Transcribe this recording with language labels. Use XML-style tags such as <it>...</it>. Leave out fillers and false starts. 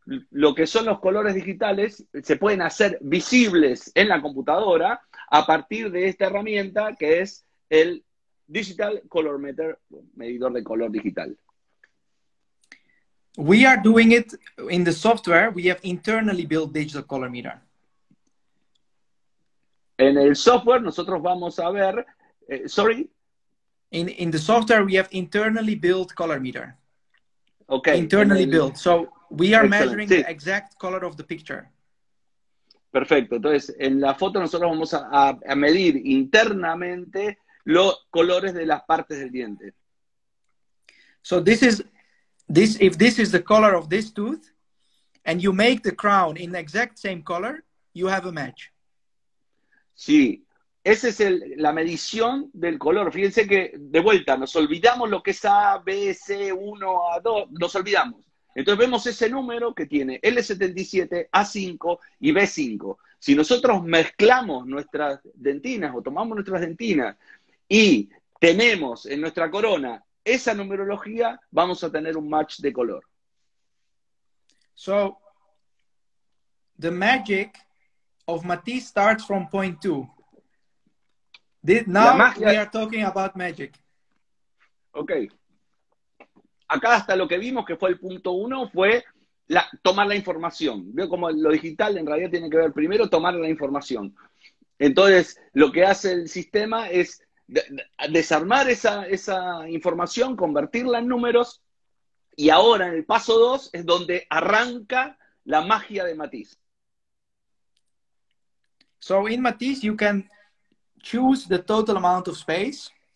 <es>Lo que son los colores digitales se pueden hacer visibles en la computadora a partir de esta herramienta que es el Digital Color Meter, medidor de color digital.</es> <en>We are doing it in the software. We have internally built Digital Color Meter.</en> <es>En el software nosotros vamos a ver, sorry.</es> <en>In the software we have internally built Color Meter. Okay. Internally built. So we are measuring the exact color of the picture.</en> <es>Perfecto. Entonces, en la foto nosotros vamos a medir internamente los colores de las partes del diente.</es> <en>So this is this. If this is the color of this tooth, and you make the crown in the exact same color, you have a match.</en> <es>Sí. Esa es la medición del color. Fíjense que, de vuelta, nos olvidamos lo que es A, B, C, 1, A, 2. Nos olvidamos. Entonces vemos ese número que tiene L77, A5 y B5. Si nosotros mezclamos nuestras dentinas o tomamos nuestras dentinas y tenemos en nuestra corona esa numerología, vamos a tener un match de color.</es> <en>So, the magic of Matisse starts from point 2. Now we are talking about magic. Okay.</en> <es>Acá hasta lo que vimos que fue el punto uno fue tomar la información. Veo como lo digital en realidad tiene que ver primero tomar la información. Entonces, lo que hace el sistema es desarmar esa información, convertirla en números, y ahora en el paso dos es donde arranca la magia de Matisse.</es> <en>So in Matisse you can choose the total amount of space.</en>